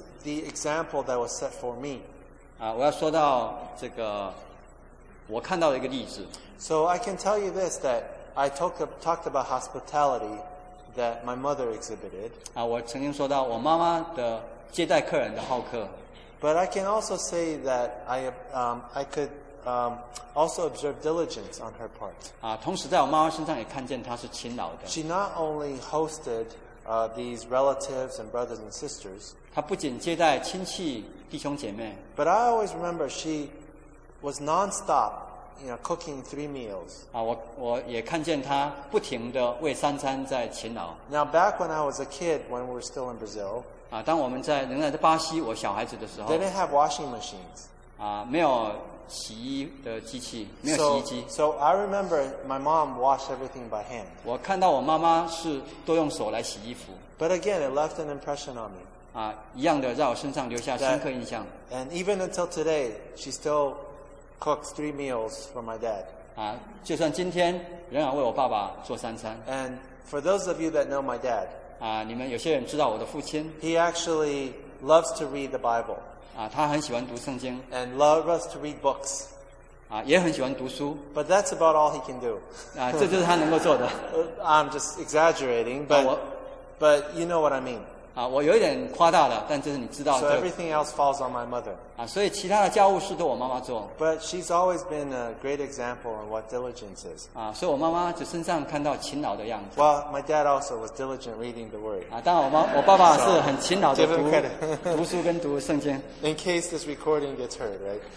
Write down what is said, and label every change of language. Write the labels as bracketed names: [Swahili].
[English] The example that was set for me. [Chinese] 啊，我要说到这个，我看到了一个例子。 [English] So I can tell you this that I talked about hospitality that my mother exhibited. [Chinese] 啊，我曾经说到我妈妈的接待客人的好客。 [English] But I can also say that I could also observe diligence on her part. [Chinese] 啊，同时在我妈妈身上也看见她是勤劳的。 [English] She not only hosted. These relatives and brothers and sisters. [Chinese] 她不仅接待亲戚弟兄姐妹。 [English] But I always remember she was non-stop, cooking three meals. [Chinese] 啊，我也看见她不停地为三餐在勤劳。 [English] Now back when I was a kid, when we were still in Brazil. [Chinese] 啊，当我们在仍然在巴西，我小孩子的时候。 [English] They didn't have washing machines. [Chinese] 啊，没有洗衣的机器，没有洗衣机。 [English] So I remember my mom washed everything by hand. [Chinese] 我看到我妈妈是都用手来洗衣服。 [English] But again, it left an impression on me. [Chinese] 啊，一样的，在我身上留下深刻印象。 [English] And even until today, she still cooks three meals for my dad. [Chinese] 啊，就算今天仍然为我爸爸做三餐。 [English] And for those of you that know my dad, [Chinese] 啊，你们有些人知道我的父亲。 [English] He actually loves to read the Bible. [Chinese] 啊，他很喜欢读圣经。 [English] And loves to read books. [Chinese] 啊，也很喜欢读书。 [English] But that's about all he can do. [Chinese] 啊，这就是他能够做的。 [English] I'm just exaggerating, but you know what I mean. [Chinese] 啊，我有一点夸大了，但这是你知道的。 [English] So everything else falls on my mother. [Chinese] 啊，所以其他的家务事都我妈妈做。 [English] But she's always been a great example of what diligence is. [Chinese] 啊，所以我妈妈就身上看到勤劳的样子。 [English] Well, my dad also was diligent reading the word. [Chinese] 啊，当然我爸爸是很勤劳的读书跟读圣经。 [English] In case this recording gets heard, right?